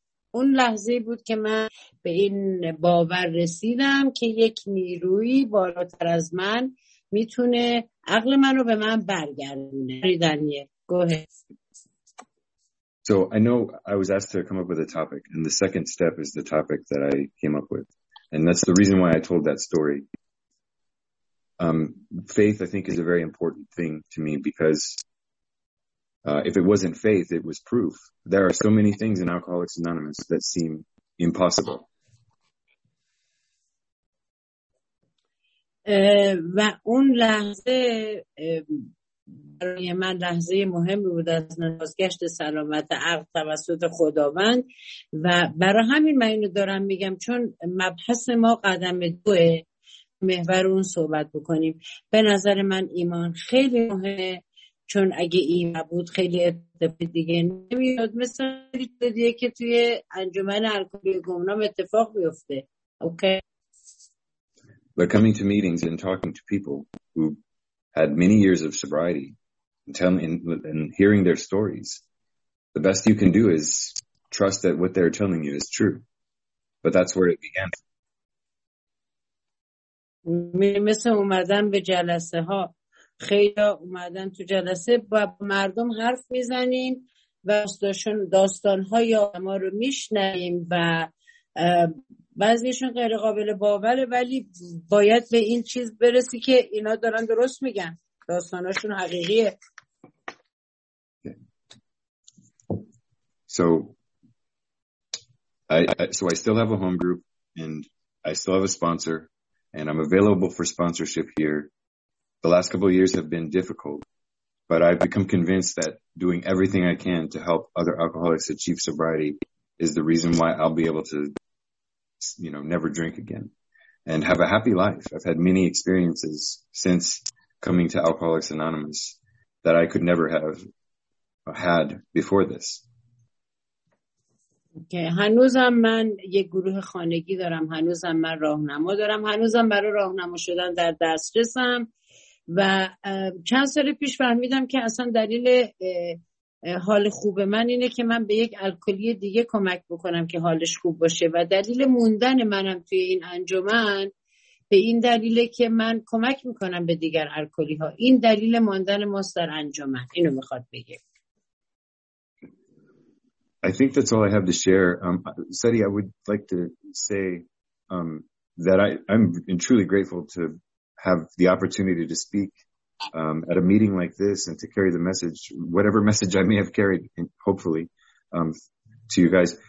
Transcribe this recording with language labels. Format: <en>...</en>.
<fa>اون لحظه بود که من به این باور رسیدم که یک نیروی بالاتر از من میتونه عقل منو به من برگردونه.</fa> <en>So I know I was asked to come up with a topic, and the second step is the topic that I came up with. And that's the reason why I told that story. Faith, I think, is a very important thing to me because if it wasn't faith, it was proof. There are so many things in Alcoholics Anonymous that seem impossible.</en> <fa>و اون لحظه برای من لحظه مهم بود از نازگشت سلامت عقل توسط خداوند و برای همین من اینو دارم میگم چون مبحث ما قدم دوه محور اون صحبت بکنیم. به نظر من ایمان خیلی مهمه چون اگه ایمان بود خیلی اتفاق دیگه نمیاد، مثل دیگه که توی انجمن الکلی گمنام اتفاق بیفته.</fa> <en>Okay. But coming to meetings and talking to people who had many years of sobriety and hearing their stories, the best you can do is trust that what they're telling you is true. But that's where it began.</en> <fa>مثل اومدن به جلسه ها، خیلی اومدن تو جلسه با مردم حرف میزنیم و داستان های ما رو میشنیم و بعضیشون غیر قابل باوره، ولی باید به این چیز برسی که اینا دارن درست میگن، داستانشون حقیقیه.</fa> <en>So I still have a home group and I still have a sponsor. And I'm available for sponsorship here. The last couple of years have been difficult, but I've become convinced that doing everything I can to help other alcoholics achieve sobriety is the reason why I'll be able to, you know, never drink again and have a happy life. I've had many experiences since coming to Alcoholics Anonymous that I could never have had before this.</en> <fa>که هنوزم من یک گروه خانگی دارم، هنوزم من راهنما دارم، هنوزم برای راهنما شدن در دسترسم و چند سال پیش فهمیدم که اصلا دلیل حال خوب من اینه که من به یک الکلی دیگه کمک بکنم که حالش خوب باشه و دلیل موندن منم توی این انجمن به این دلیله که من کمک میکنم به دیگر الکلی ها. این دلیل ماندن ماست در انجمن، اینو میخواد بگه.</fa> <en>I think that's all I have to share. Sadie, I would like to say that I'm truly grateful to have the opportunity to speak at a meeting like this and to carry the message, whatever message I may have carried, hopefully, to you guys.</en>